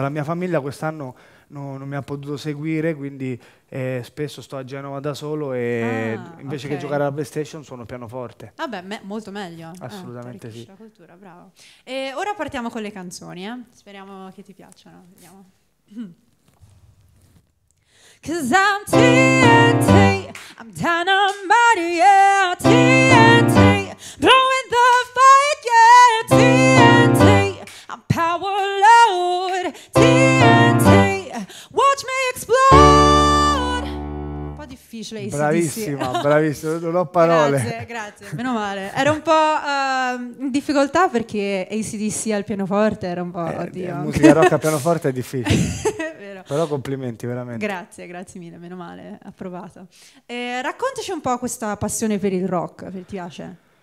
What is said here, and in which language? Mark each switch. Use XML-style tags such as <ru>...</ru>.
<it>La mia famiglia quest'anno non mi ha potuto seguire, quindi spesso sto a Genova da solo e invece, okay, che giocare alla PlayStation suono pianoforte. Vabbè, molto meglio. Assolutamente sì. La cultura, bravo. E ora partiamo con le canzoni, speriamo che ti piacciono. Vediamo.</it> <en>'Cause I'm TNT, I'm dynamite, yeah, TNT, blowing the fire, yeah, TNT, I'm power load, TNT. Watch me explode.</en> <it>Un po' difficile.</it> <en>Speechless.</en> <it>Bravissima, sì. Bravissima, non ho parole. Grazie, grazie, meno male. Era un po' in difficoltà perché AC/DC al pianoforte era un po'... oddio. Musica rock al pianoforte è difficile. Vero. Però complimenti, veramente. Grazie, grazie mille, meno male, approvato. Raccontaci un po' questa passione per il rock, se ti piace.</it>